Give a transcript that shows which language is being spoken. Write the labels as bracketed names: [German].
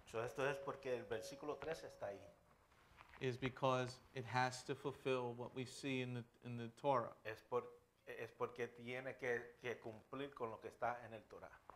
[Spanish] So esto es porque el versículo 13 está ahí. [English] Is because it has to fulfill what we see in the Torah. [Spanish] Es porque tiene que cumplir con lo que está en el Torah.